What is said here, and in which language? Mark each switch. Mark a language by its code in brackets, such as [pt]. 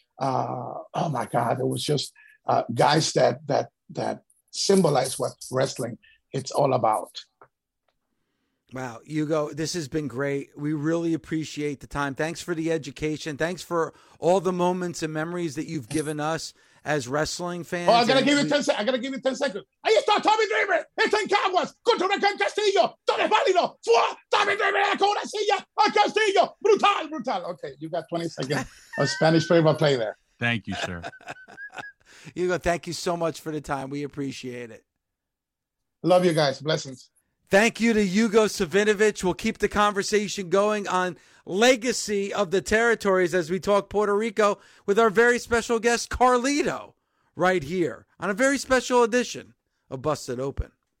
[en] Oh, my God. It was just guys that symbolize what wrestling it's all about. Wow, Hugo, this has been great. We really appreciate the time. Thanks for the education. Thanks for all the moments and memories that you've given us as wrestling fans. Oh, I gotta give you 10 seconds. [es] Ahí está Tommy Dreamer, está en Caguas, contra Rican Castillo, todo es válido, fue Tommy Dreamer en la cobrasilla, a Castillo, brutal, brutal. [en] Okay, you got 20 seconds of Spanish favorite play there. Thank you, sir. Hugo, thank you so much for the time. We appreciate it. Love you guys. Blessings. Thank you to Hugo Savinovich. We'll keep the conversation going on Legacy of the Territories as we talk Puerto Rico with our very special guest, Carlito, right here on a very special edition of Busted Open.